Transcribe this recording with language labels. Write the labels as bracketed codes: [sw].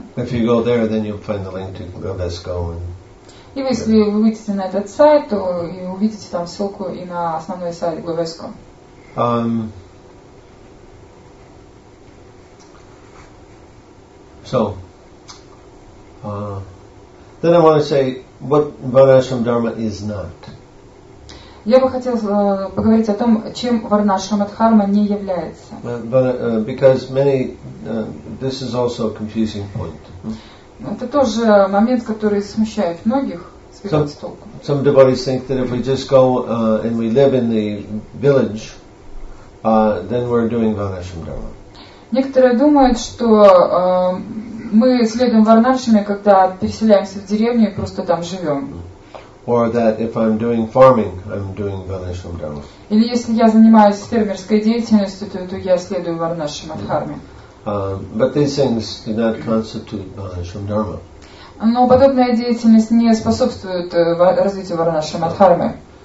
[en] If you go there, then you'll find the link to GLAVESCO. [ru] И если вы выйдете на этот сайт, то и увидите там ссылку и на основной сайт GLAVESCO. [en] So, then I want to say what Varnashram Dharma is not. [ru] Я бы хотел поговорить о том, чем Варнашрам Дхарма не является. [en] Because many, this is also a confusing point. [ru] Это тоже момент, который смущает многих. [en] Some devotees think that if we just go and we live in the village, then we're doing Varnashram Dharma. [ru] Некоторые думают, что мы следуем варнашраме, когда переселяемся в деревню и просто там живем. [en] Or that if I'm doing farming, I'm doing Varnashram Dharma. [ru] Или если я занимаюсь фермерской деятельностью, то я следую варнашраме дхарме. [en] But these things do not constitute Varnashram Dharma. [ru] Но подобная деятельность не способствует развитию варнашрама дхармы.